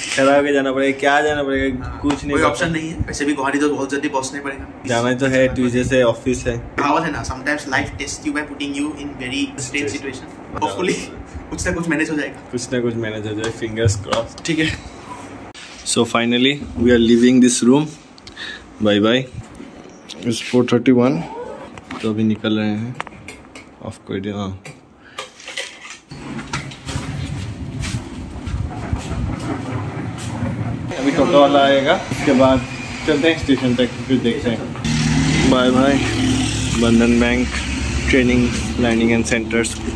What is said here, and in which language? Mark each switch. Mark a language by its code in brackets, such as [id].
[hi] खड़ा होकर जाना पड़ेगा, क्या जाना पड़ेगा कुछ नहीं, कोई ऑप्शन नहीं है। वैसे भी गुवाहाटी तो बहुत जल्दी पहुंचना पड़ेगा, जाना तो है, ट्यूजडे से ऑफिस है। [en] how is it now, sometimes life test you by putting you in very strange situation, hopefully [hi] कुछ ना कुछ मैनेज हो जाएगा, कुछ ना कुछ मैनेज हो जाए, फिंगर्स क्रॉस। ठीक है, [en] so finally we are leaving this room, bye bye, it's 4:31। [hi] तो अभी निकल रहे हैं, ऑफ कोई डे हाँ, अभी टोटो वाला आएगा, उसके बाद चलते हैं स्टेशन तक, फिर देखते हैं। [en] Bye bye Bandhan bank training learning and centres.